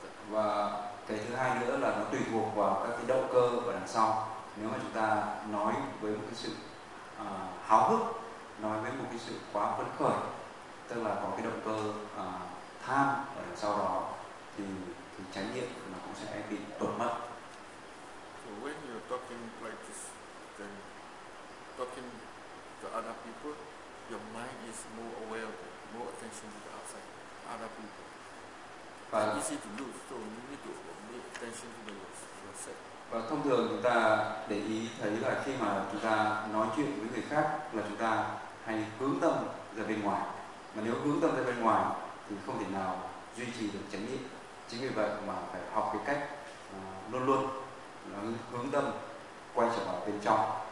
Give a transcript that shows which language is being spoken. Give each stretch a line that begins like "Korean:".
Vietnamese: Và cái thứ hai nữa là nó tùy thuộc vào các cái động cơ ở đằng sau. Nếu mà chúng ta nói với một cái sự háo hức, nói với một cái sự quá phấn khởi, tức là có cái động cơ tham ở đằng sau đó, thì chánh niệm nó cũng sẽ bị tuột mất.
English: So when you're talking like this, then talking to other people, your mind is more aware, more attention to the outside, other people. But it's easy to lose, so you need to pay attention to yourself.
Vietnamese: Và thông thường chúng ta để ý thấy là khi mà chúng ta nói chuyện với người khác là chúng ta hay hướng tâm ra bên ngoài. Mà nếu hướng tâm ra bên ngoài thì không thể nào duy trì được chánh niệm. Chính vì vậy mà phải học cái cách luôn luôn hướng tâm quay trở vào bên trong.